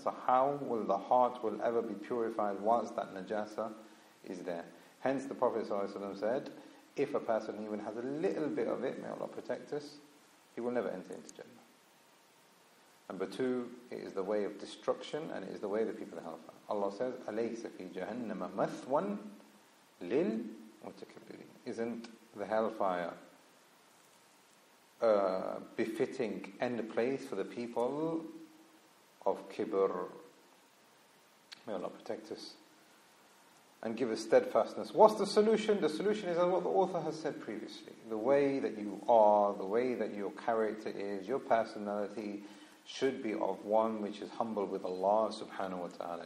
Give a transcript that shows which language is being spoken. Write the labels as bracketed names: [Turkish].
[English] So how will the heart will ever be purified whilst that najasa is there? Hence the Prophet ﷺ said, if a person even has a little bit of it, may Allah protect us, he will never enter into Jannah. Number two, it is the way of destruction and it is the way of the people of hellfire. [Arabic] Allah says, أَلَيْسَ فِي جَهَنَّمَ مَثْوًا لِلْمُتَكَبِّرِينَ. [English] Isn't the hellfire befitting end place for the people of kibr? May Allah protect us and give us steadfastness. What's the solution? The solution is what the author has said previously. The way that you are, the way that your character is, your personality should be of one which is humble with Allah subhanahu wa ta'ala.